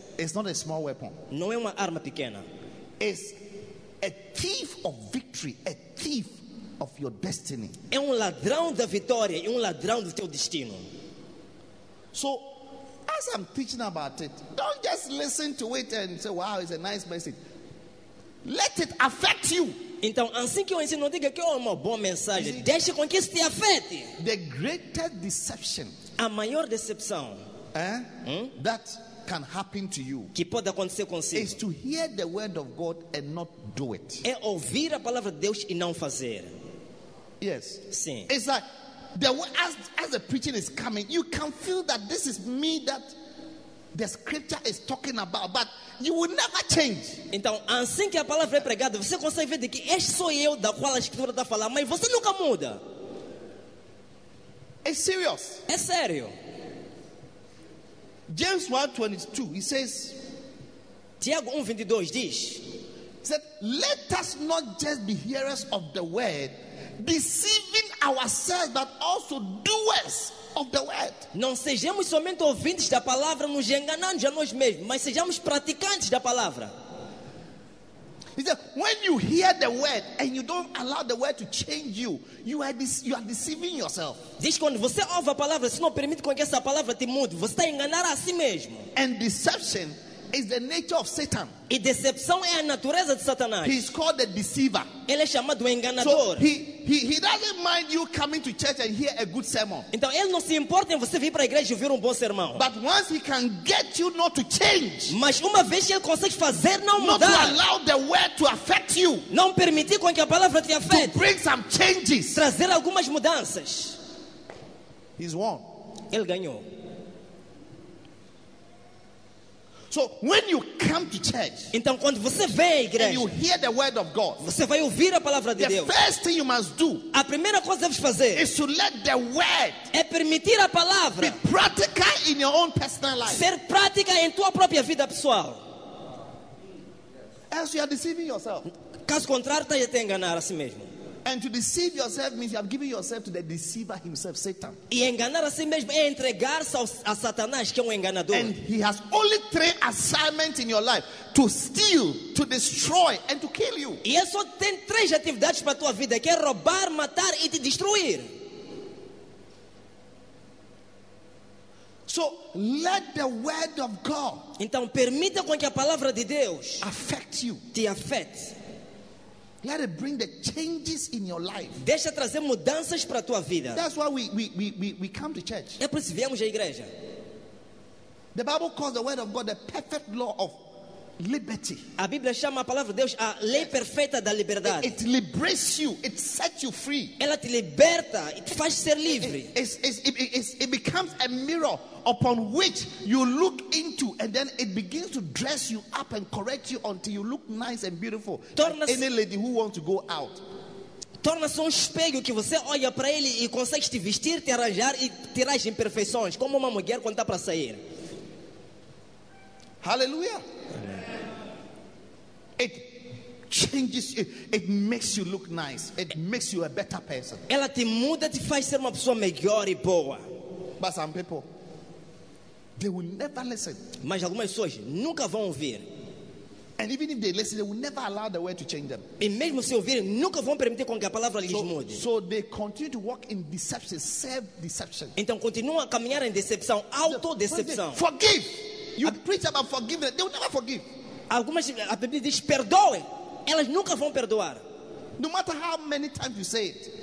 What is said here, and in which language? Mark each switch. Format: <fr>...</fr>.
<en>It's not a small weapon.</en> <pt>Não é uma arma pequena.</pt> <en>It's a thief of victory, a thief of your destiny.</en> <pt>É ladrão da vitória e ladrão do teu destino.</pt> <en>So, as I'm teaching about it, don't just listen to it and say, "Wow, it's a nice message." Let it affect you.</en> <pt>Então, assim que eu ensino, não diga que é uma boa mensagem. Deixe com que isso te afete.</pt> <en>The greatest deception.</en> <pt>A maior decepção</pt> <en>that can happen to you</en> <pt>que pode acontecer consigo</pt> <en>is to hear the word of God and not do it.</en> <pt>É ouvir a palavra de Deus e não fazer.</pt> <en>Yes.</en> <pt>Sim.</pt> <en>It's like the as the preaching is coming, you can feel that this is me that the scripture is talking about, but you will never change.</en> <pt>Então, assim que a palavra é pregada, você consegue ver de que este sou eu da qual a escritura está falando, mas você nunca muda.</pt> <en>It's serious.</en> <pt>É sério.</pt> <en>James 1:22, he says.</en> <pt>Tiago 1:22 diz.</pt> <en>Said, let us not just be hearers of the word, deceiving ourselves, but also doers of the word.</en> <pt>Não sejamos somente ouvintes da palavra, nos enganando a nós mesmos, mas sejamos praticantes da palavra.</pt> <en>He said, when you hear the word and you don't allow the word to change you, you are deceiving yourself.</en> <pt>Diz quando você ouve a palavra, se não permite com que essa palavra te mude, você está enganando a si mesmo.</pt> <en>And deception is the nature of Satan.</en> <pt>E decepção é a natureza de Satanás.</pt> <en>He is called the deceiver.</en> <pt>Ele é chamado o enganador.</pt> <en>So he doesn't mind you coming to church and hear a good sermon.</en> <pt>Então ele não se importa em você vir para a igreja e ouvir bom sermão.</pt> <en>But once he can get you not to change.</en> <pt>Mas uma vez que ele consegue fazer não mudar.</pt> <en>Not to allow the word to affect you.</en> <pt>Não permitir com que a palavra te afete.</pt> <en>To bring some changes.</en> <pt>Trazer algumas mudanças.</pt> <en>He's won.</en> <pt>Ele ganhou.</pt> <en>So when you come to church,</en> <pt>então quando você vem à igreja,</pt> <en>and you hear the word of God,</en> <pt>você vai ouvir a palavra de</pt> <en>the</en> <pt>Deus.</pt> <en>The first thing you must do,</en> <pt>a primeira coisa que deves fazer,</pt> <en>is to let the word,</en> <pt>é permitir a palavra,</pt> <en>be practical in your own personal life,</en> <pt>ser prática em tua própria vida pessoal.</pt> <en>Else you are deceiving yourself.</en> <pt>Caso contrário, estás a te enganar a si mesmo.</pt> <en>And to deceive yourself means you have given yourself to the deceiver himself, Satan.</en> <pt>E enganar a si mesmo é entregar-se a Satanás, que é enganador.</pt> <en>And he has only three assignments in your life: to steal, to destroy, and to kill you.</en> <pt>E ele só tem três atividades para tua vida: que é roubar, matar e te destruir.</pt> <en>So let the word of God.</en> <pt>Então permita com que a palavra de Deus</pt> <en>affect you.</en> <pt>Te afete.</pt> <en>Let it bring the changes in your life.</en> <pt>Deixa trazer mudanças para tua vida.</pt> <en>That's why we come to church.</en> <pt>É por isso que viemos à igreja.</pt> <en>The Bible calls the word of God the perfect law of liberty.</en> <pt>A Bíblia chama a palavra de Deus a lei perfeita da liberdade.</pt> <en>It liberates you. It sets you free.</en> <pt>Ela te liberta.</pt> <en>It</en> <pt>faz ser livre.</pt> <en>It becomes a mirror upon which you look into, and then it begins to dress you up and correct you until you look nice and beautiful.</en> <pt>Torna-se,</pt> <en>any lady who wants to go out.</en> <pt>Torna-se espelho que você olha para ele e consegue te vestir, te arranjar e tirar as imperfeições, como uma mulher quando está para sair.</pt> <en>Hallelujah. It changes you. It makes you look nice. It makes you a better person.</en> <pt>Ela te muda, te faz ser uma pessoa melhor e boa.</pt> <en>But some people, they will never listen.</en> <pt>Mas algumas pessoas nunca vão ouvir.</pt> <en>And even if they listen, they will never allow the word to change them.</en> <pt>E mesmo se ouvirem, nunca vão permitir com que a palavra lhes mude.</pt> <en>So they continue to walk in deception, self-deception.</en> <pt>Então continuam a caminhar em decepção, autodecepção.</pt> <en>Forgive. You preach about forgiveness, they will never forgive.</en> <pt>Algumas, a Bíblia diz, perdoe. Elas nunca vão perdoar.</pt> <en>No matter how many times you say it.</en>